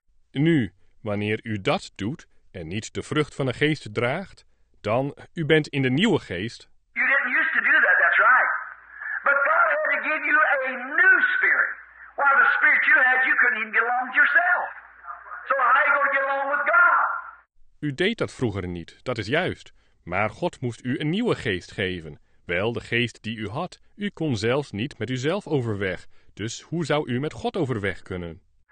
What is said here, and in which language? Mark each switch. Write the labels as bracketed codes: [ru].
[nl] Nu, wanneer u dat doet en niet de vrucht van de geest draagt, dan u bent in de nieuwe geest. [en] You didn't used to do that, that's right. But God had to give you a new spirit. While the spirit you had, you couldn't even get along with yourself. So how are you going to get along with God? [nl] U deed dat vroeger niet, dat is juist. Maar God moest u een nieuwe geest geven. Wel, de geest die u had, u kon zelfs niet met uzelf overweg. Dus hoe zou u met God overweg kunnen?